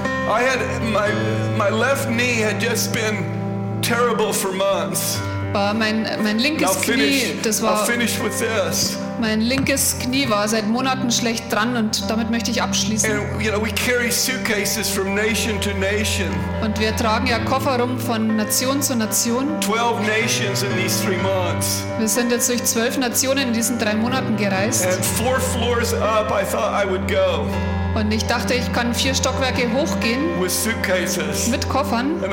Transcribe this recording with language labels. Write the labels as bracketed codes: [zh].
[en] I had my left knee had just been terrible for months. [de] War mein linkes [en] I'll [de] Knie, [en] finish, [de] das war. [en] I'll finish with this. [de] Mein linkes Knie war seit Monaten schlecht dran und damit möchte ich abschließen. [en] And, you know, we carry suitcases from nation to nation. [de] Und wir tragen ja Koffer rum von Nation zu Nation. [en] 12 nations in these 3 months. [de] Wir sind jetzt durch 12 Nationen in diesen 3 Monaten gereist. [en] And 4 floors up, I thought I would go. [de] Und ich dachte, ich kann 4 Stockwerke hochgehen mit Koffern.